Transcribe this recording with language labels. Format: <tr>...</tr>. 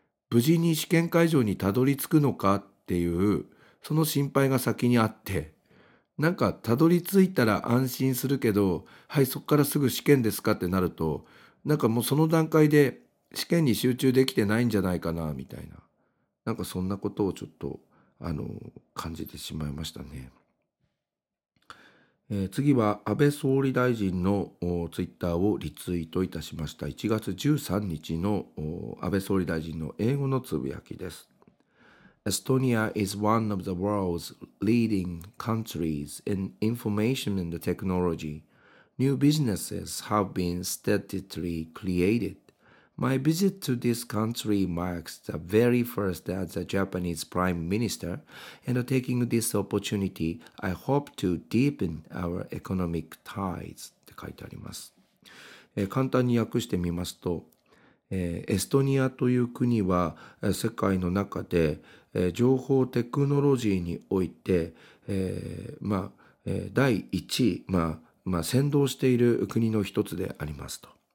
<ja>無事に試験会場にたどり着くのかっていうその心配が先にあって、なんかたどり着いたら安心するけど、はい、そこからすぐ試験ですかってなると、なんかもうその段階で試験に集中できてないんじゃないかなみたいな、なんかそんなことをちょっと感じてしまいましたね。次は安倍総理大臣のツイッターをリツイートいたしました。 1月13日の安倍総理大臣の英語のつぶやきです。</ja> <en>Estonia is one of the world's leading countries in information and technology. New businesses have been steadily created. My visit to this country marks the very first as a Japanese prime minister, and taking this opportunity, I hope to deepen our economic ties.</en> <ja>って書いてあります。簡単に訳してみますと、エストニアという国は世界の中で情報テクノロジーにおいて、第1位、先導している国の一つでありますと。</ja>